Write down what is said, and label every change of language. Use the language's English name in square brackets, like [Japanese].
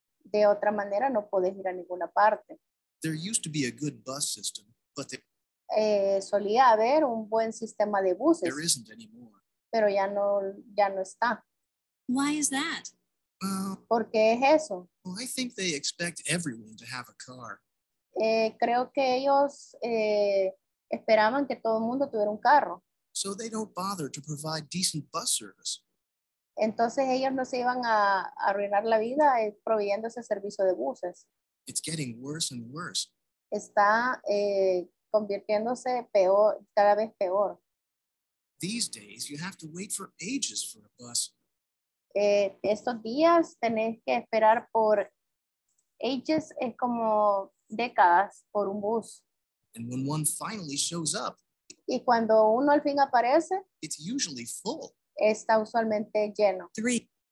[Spanish] De otra manera, no puedes ir a ninguna parte. [English] There used to be a good bus system. But [Spanish] solía haber un buen sistema de buses. [English] There isn't anymore. [Spanish] Pero ya no está. [English] Why is that? [Spanish] ¿Por qué es eso? [English] Well, I think they expect everyone to have a car. [Spanish] Creo que ellos esperaban que todo el mundo tuviera un carro. [English] So they don't bother to provide decent bus service. [Spanish] Entonces ellos no se iban a arruinar la vida proveyendo ese servicio de buses. [English] It's getting worse and worse. [Spanish] Está convirtiéndose peor, cada vez peor. [English] These days, you have to wait for ages for a bus. [Spanish] Estos días tenés que esperar por ages, es como décadas por un bus. [English] And when one finally shows up, [Spanish] y cuando uno al fin aparece, [English] it's usually full. [Spanish] Está usualmente lleno. [English] Three.